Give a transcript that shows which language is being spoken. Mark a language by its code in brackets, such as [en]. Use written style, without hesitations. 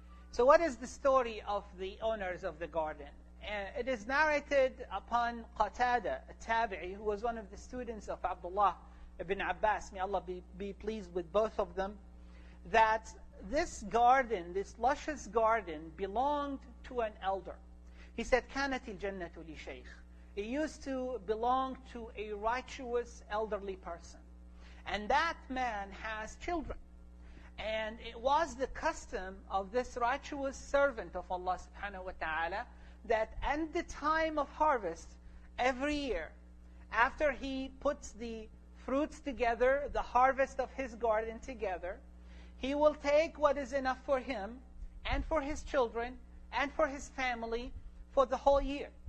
[en] So what is the story of the owners of the garden? It is narrated upon Qatada, a tabi'i, who was one of the students of Abdullah ibn Abbas. May Allah be pleased with both of them. That this garden, this luscious garden, belonged to an elder. He said, [ar] كانت الجنة لشيخ. [en] It used to belong to a righteous elderly person. And that man has children. And it was the custom of this righteous servant of Allah subhanahu wa ta'ala that at the time of harvest, every year, after he puts the fruits together, the harvest of his garden together, he will take what is enough for him and for his children and for his family for the whole year.